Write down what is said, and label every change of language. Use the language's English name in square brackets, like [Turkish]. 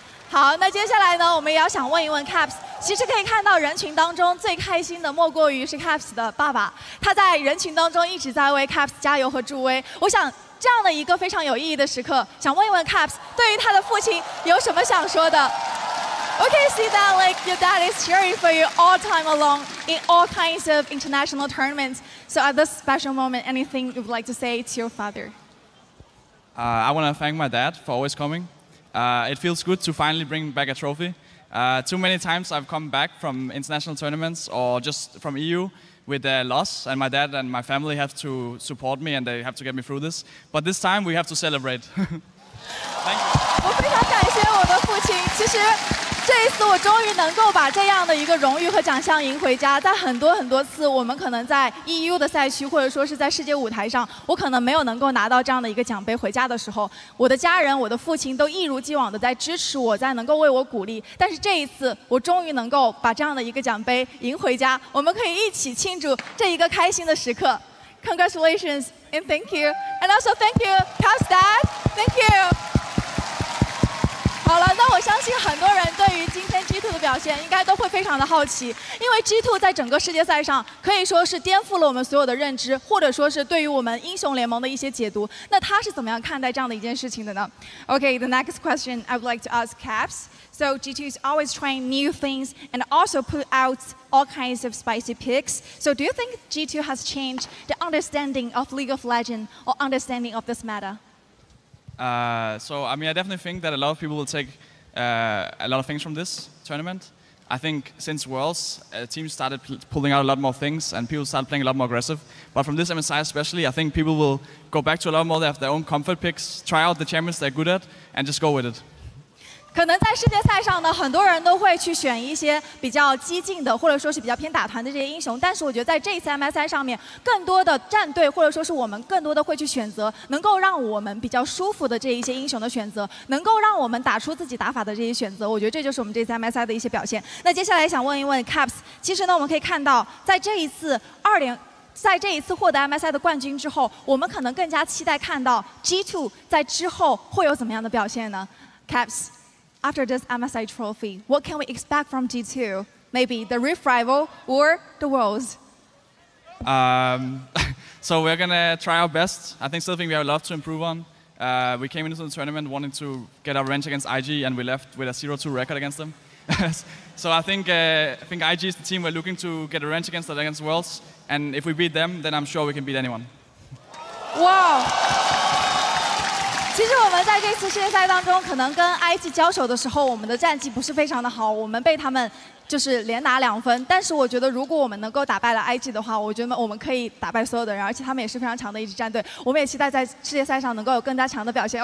[Chinese] 好，那接下来呢，我们也要想问一问 Caps。其实可以看到人群当中最开心的莫过于是 Caps 的爸爸，他在人群当中一直在为 Caps 加油和助威。我想这样的一个非常有意义的时刻，想问一问 Caps 对于他的父亲有什么想说的。 [English] Okay, see that like your dad is cheering for you all time along in all kinds of international tournaments. So at this special moment, anything you would like to say to your father? I want to thank my dad for always coming. It feels good to finally bring back a trophy. Too many times I've come back from international tournaments or just from EU with a loss, and my dad and my family have to support me and they have to get me through this. But this time we have to celebrate. Thank you. [Chinese] 我非常感谢我的父亲。其实这一次我终于能够把这样的一个荣誉和奖项赢回家。在很多很多次我们可能在 EU 的赛区或者说是在世界舞台上，我可能没有能够拿到这样的一个奖杯回家的时候，我的家人我的父亲都一如既往的在支持我，在能够为我鼓励。但是这一次我终于能够把这样的一个奖杯赢回家，我们可以一起庆祝这一个开心的时刻。 [English] Congratulations and thank you. And also thank you Caps Dad. Thank you. [Chinese] 好了，那我相信很多人对于今天 G2 的表现应该都会非常的好奇，因为 G2 在整个世界赛上可以说是颠覆了我们所有的认知，或者说是对于我们英雄联盟的一些解读。那他是怎么样看待这样的一件事情的呢？ [English] Okay, the next question I would like to ask Caps. So G2 is always trying new things and also put out all kinds of spicy picks. So do you think G2 has changed the understanding of League of Legends or understanding of this meta? So, I mean, I definitely think that a lot of people will take a lot of things from this tournament. I think since Worlds, teams started pulling out a lot more things and people started playing a lot more aggressive. But from this MSI especially, I think people will go back to a lot more. They have their own comfort picks, try out the champions they're good at, and just go with it. [Chinese] 可能在世界赛上呢，很多人都会去选一些比较激进的，或者说是比较偏打团的这些英雄。但是我觉得在这一次 MSI 上面，更多的战队或者说是我们更多的会去选择能够让我们比较舒服的这一些英雄的选择，能够让我们打出自己打法的这些选择。我觉得这就是我们这次 MSI 的一些表现。那接下来想问一问 Caps， 其实呢，我们可以看到在这一次二连在这一次获得 MSI 的冠军之后，我们可能更加期待看到 G2 在之后会有怎么样的表现呢？ [English] Caps, after this MSI trophy, what can we expect from G2? Maybe the Rift rival or the Worlds? So we're going to try our best. I think something we have a lot to improve on. We came into the tournament wanting to get our revenge against IG, and we left with a 0-2 record against them. So I think IG is the team we're looking to get a revenge against, that against Worlds. And if we beat them, then I'm sure we can beat anyone. Wow! [Chinese] 其实我们在这次世界赛当中，可能跟 IG 交手的时候，我们的战绩不是非常的好，我们被他们就是连拿两分。但是我觉得，如果我们能够打败了 IG 的话，我觉得我们可以打败所有的人，而且他们也是非常强的一支战队。我们也期待在世界赛上能够有更加强的表现。